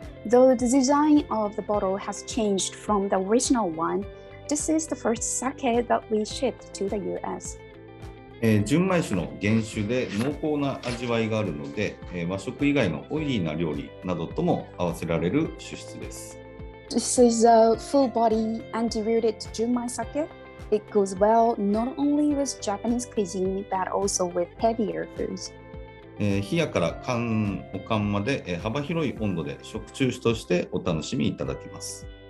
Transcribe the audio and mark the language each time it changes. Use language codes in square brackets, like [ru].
[en] Though the design of the bottle has changed from the original one, this is the first sake that we shipped to the US. [ja] 純米酒の原酒で濃厚な味わいがあるので、和食以外のオイリーな料理などとも合わせられる酒質です。 [en] This is a full body undiluted 純米酒. It goes well not only with Japanese cuisine, but also with heavier foods. [ja] 冷やから缶を缶まで幅広い温度で食中酒としてお楽しみいただけます。